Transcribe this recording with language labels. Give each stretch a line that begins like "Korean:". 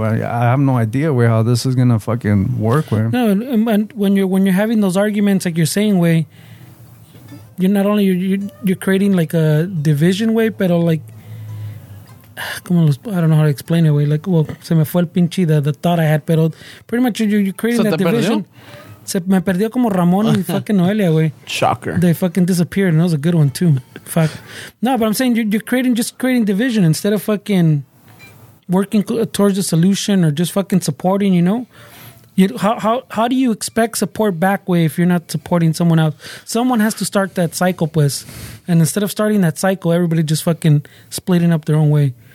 English: I have no idea where how this is gonna fucking work. Where no, and when you're having those arguments, like you're saying, way, you're not only you're creating like a division, way, but like, I don't know how to explain it, way. Like, well,
Spanish: se me fue el pinche
English: the thought I had, but pretty much you're creating that division. Perdió?
Spanish: Se me perdió como Ramón y fucking Noelia, way.
English: Shocker. They fucking disappeared, and that was a good one too. Fuck. No, but I'm saying you're creating division instead of fucking. Working towards a solution or just fucking supporting, you know? How do you expect support back, way, if you're not supporting someone else? Someone has to start that cycle, pues. And instead of starting that cycle, everybody just fucking splitting up their own way.